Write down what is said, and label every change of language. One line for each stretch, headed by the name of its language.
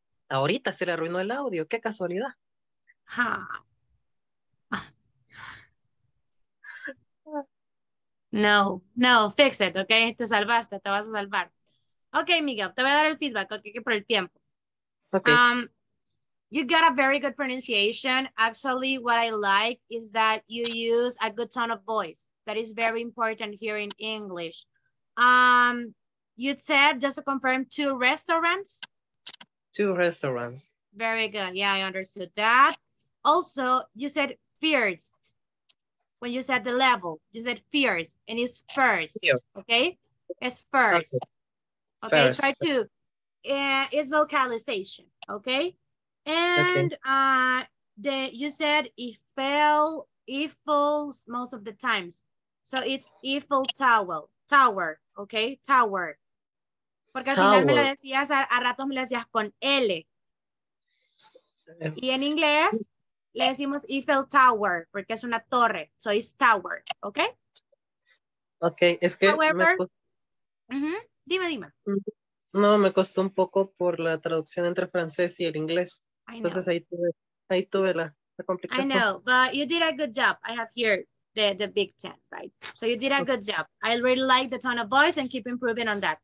Spanish: Ahorita se le arruinó el audio, qué casualidad. No,
English: fix it,
Spanish: ok, te salvaste, te vas a salvar. Ok, Miguel, te voy a dar el feedback, ok, por el tiempo.
English: Okay. You got a very good pronunciation. Actually, what I like is that you use a good tone of voice. That is very important here in English. You said, just to confirm, two restaurants? Two restaurants. Very good, yeah, I understood that. Also, you said first, when you said the level, you said first, and it's first, okay? It's first. Okay, first. Try to, it's vocalization, Okay. And you said it falls most of the times. So it's Eiffel Tower. Tower. Okay. Tower.
Spanish: Porque al final me la decías a ratos me la decías con L. Y en inglés le decimos Eiffel Tower porque es una torre.
English: So it's tower. Okay.
Spanish: Okay. Es que.
English: However.
Spanish: Dime. No, me costó un poco por la traducción entre francés y el inglés. Entonces ahí tuve la complicación.
English: I know, but you did a good job. I have here the Big Ten, right? So you did a good job. I really like the tone of voice and keep improving on that.